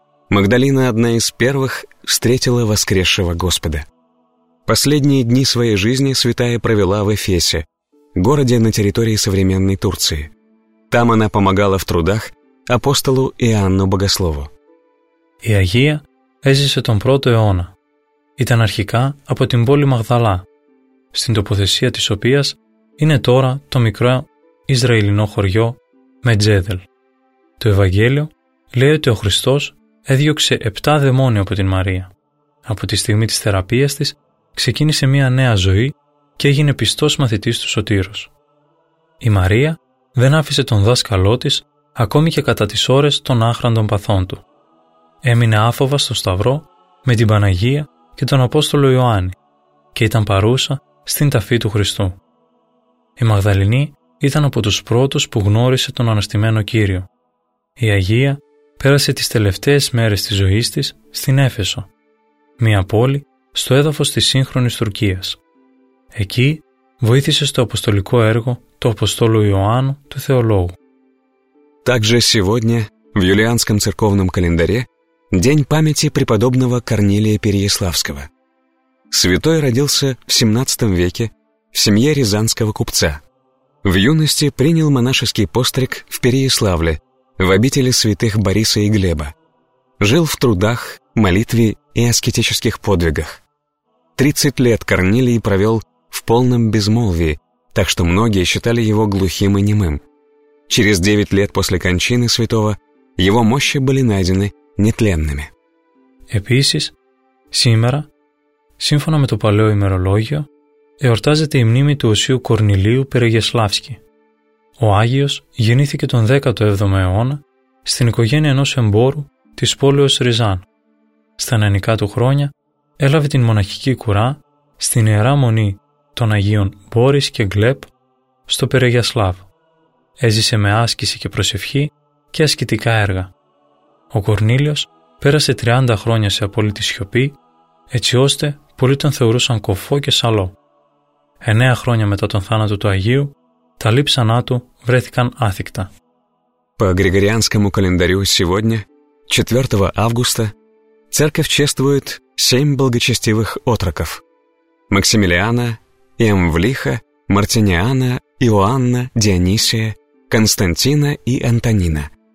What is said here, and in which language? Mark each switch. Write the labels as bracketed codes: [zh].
[ru] Магдалина одна из первых встретила воскресшего Господа. Последние дни своей жизни святая провела в Эфесе, городе на территории современной Турции. Там она помогала в трудах апостолу Иоанну Богослову. [el] Η Αγία έζησε τον 1ο αιώνα. Ήταν αρχικά από την πόλη Μαγδαλά, στην τοποθεσία της οποίας είναι τώρα το μικρό Ισραηλινό χωριό Μετζέδελ. Το Ευαγγέλιο λέει ότι ο Χριστός έδιωξε 7 δαιμόνια από την Μαρία. Από τη στιγμή της θεραπείας της ξεκίνησε μια νέα ζωή και έγινε πιστός μαθητής του Σωτήρος. Η Μαρία δεν άφησε τον δάσκαλό της ακόμη και κατά τις ώρες των άχραντων παθών του. Έμεινε άφοβα στο Σταυρό με την Παναγία και τον Απόστολο Ιωάννη και ήταν παρούσα στην ταφή του Χριστού. Η Μαγδαληνή ήταν από τους πρώτους που γνώρισε τον Αναστημένο Κύριο. Η Αγία πέρασε τις τελευταίες μέρες της ζωής της στην Έφεσο, μια πόλη στο έδαφος της σύγχρονης Τουρκίας. Εκεί βοήθησε στο αποστολικό έργο του Αποστόλου Ιωάννου του Θεολόγου. [ru] Также сегодня в юлианском церковном календаре день памяти преподобного Корнилия Переяславского. Святой родился в 17 веке в семье рязанского купца. В юности принял монашеский постриг в Переяславле, в обители святых Бориса и Глеба. Жил в трудах, молитве и аскетических подвигах. 30 лет Корнилий провел в полном безмолвии, так что многие считали его глухим и немым. Через 9 лет после кончины святого его мощи были найдены нетленными. [el] Επίσης, σήμερα, σύμφωνα με το παλαιό ημερολόγιο, εορτάζεται η μνήμη του Οσίου Κορνιλίου Περιγεσλάφσκη. Ο Άγιος γεννήθηκε τον 17ο αιώνα στην οικογένεια ενός εμπόρου της πόλεως Ριζάν. Στα νεανικά του χρόνια έλαβε την μοναχική κουρά στην Ιερά Μονή των Αγίων Μπόρις και Γκλέπ στο Περιγεσλάβ. Έζησε με άσκηση και προσευχή και ασκητικά έργα. Ο Κορνίλιος πέρασε 30 χρόνια σε απόλυτη σιωπή, έτσι ώστε πολλοί τον θεωρούσαν κοφό και σαλό. 9 χρόνια μετά τον θάνατο του Αγίου, τα λείψανά του βρέθηκαν άθικτα. [ru] По Григорианскому календарю сегодня, 4 августа, церковь чествует 7 благочестивых отроков. Максимилиана, Иамвлиха, Мартиниана, Иоанна, Дионисия, Константина и Антонина.